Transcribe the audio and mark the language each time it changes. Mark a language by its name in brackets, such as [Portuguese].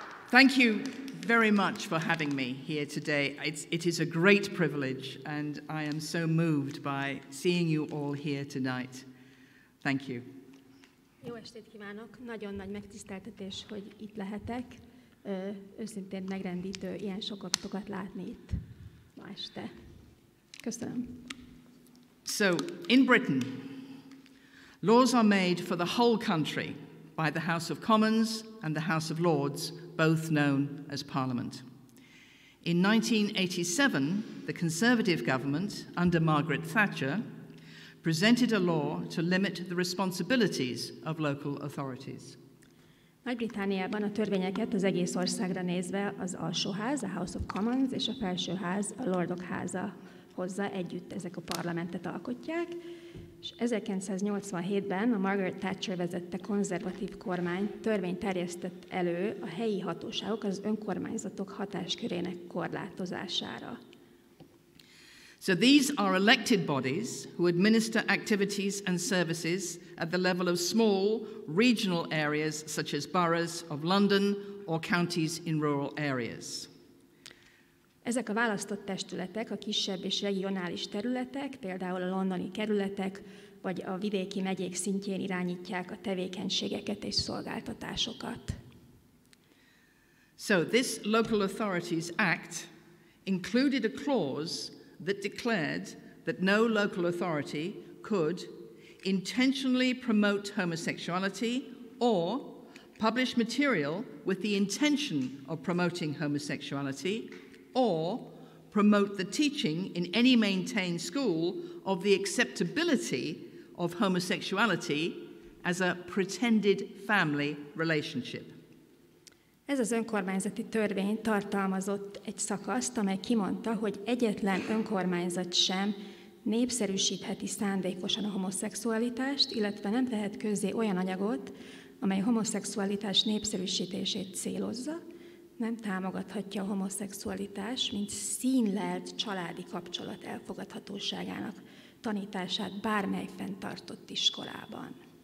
[English] Thank you very much for having me here today. It is a great privilege, and I am so moved by seeing you all here tonight. Thank you. [Hungarian] Jó estét kívánok! Nagyon nagy megtiszteltetés, hogy itt lehetek. őszintén megrendítő ilyen sokatokat látni itt ma este. Köszönöm. [English] So, in Britain, laws are made for the whole country by the House of Commons and the House of Lords, both known as Parliament. In 1987, the Conservative government, under Margaret Thatcher, presented a law to limit the responsibilities of local authorities. [Hungarian] Nagy-Britániában a törvényeket az egész országra nézve az alsóház, a House of Commons, és a felsőház, a Lordok háza hozza együtt ezek a parlamentet alkotják. És 1987-ben a Margaret Thatcher vezette konzervatív kormány törvényt terjesztett elő a helyi hatóságok az önkormányzatok hatáskörének korlátozására. [English] So these are elected bodies who administer activities and services at the level of small regional areas such as boroughs of London or counties in rural areas. [Hungarian] Ezek a választott testületek a kisebb és regionális területek, például a londoni kerületek vagy a vidéki megyék szintjén irányítják a tevékenységeket és szolgáltatásokat. [English] So this Local Authorities Act included a clause that declared that no local authority could intentionally promote homosexuality or publish material with the intention of promoting homosexuality or promote the teaching in any maintained school of the acceptability of homosexuality as a pretended family relationship. [Hungarian] Ez az önkormányzati törvény tartalmazott egy szakaszt, amely kimondta, hogy egyetlen önkormányzat sem népszerűsítheti szándékosan a homoszexualitást, illetve nem tehet közzé olyan anyagot, amely homoszexualitás népszerűsítését célozza, nem támogathatja a homoszexualitás, mint színlelt családi kapcsolat elfogadhatóságának tanítását bármely fenntartott iskolában.